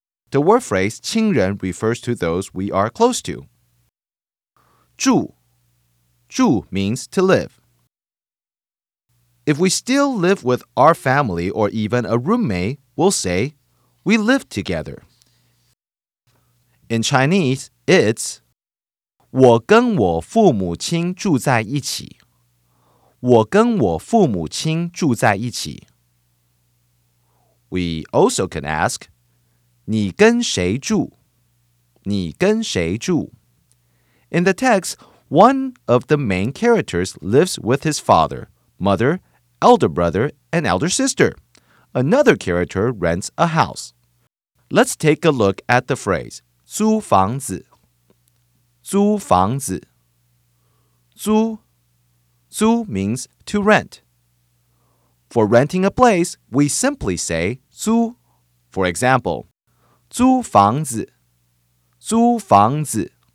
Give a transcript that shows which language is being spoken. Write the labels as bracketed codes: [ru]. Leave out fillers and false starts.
[en] The word phrase 亲人 refers to those we are close to. 住, 住 means to live. If we still live with our family or even a roommate, we'll say we live together. In Chinese, it's [zh] 我跟我父母亲住在一起. 我跟我父母亲住在一起. [en] We also can ask [zh] 你跟谁住? 你跟谁住? [en] In the text, one of the main characters lives with his father, mother, elder brother, and elder sister. Another character rents a house. Let's take a look at the phrase 租房子, 租房子. 租, 租 means to rent. For renting a place, we simply say 租. For example, 租房子, 租房子.